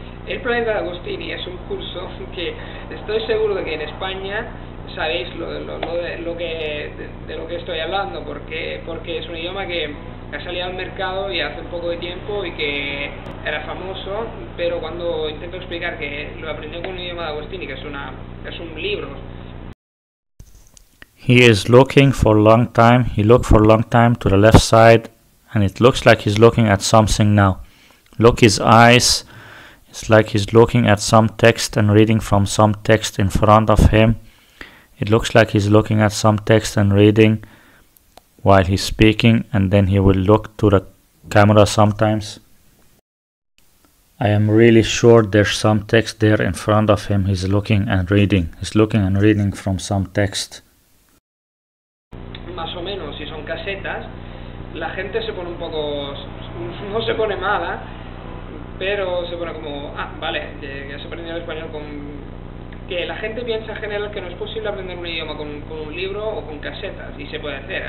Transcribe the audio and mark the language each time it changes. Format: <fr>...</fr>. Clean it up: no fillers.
<es>El Planeta de Agostini es un curso que estoy seguro de que en España sabéis lo que estoy hablando, porque es un idioma que ha salido al mercado ya hace un poco de tiempo y que era famoso, pero cuando intento explicar que lo aprendí con un idioma de Agostini, que es un libro.</es> <en>He is looking for a long time. He looked for a long time to the left side, and it looks like he's looking at something now. Look his eyes. It's like he's looking at some text and reading from some text in front of him. It looks like he's looking at some text and reading while he's speaking, and then he will look to the camera sometimes. I am really sure there's some text there in front of him. He's looking and reading. He's looking and reading from some text.</en> <es>Más o menos, si son casetas, la gente se pone un poco, no se pone mala, pero se pone como, vale, ya se aprendió el español con... Que la gente piensa en general que no es posible aprender un idioma con un libro o con casetas, y se puede hacer.</es>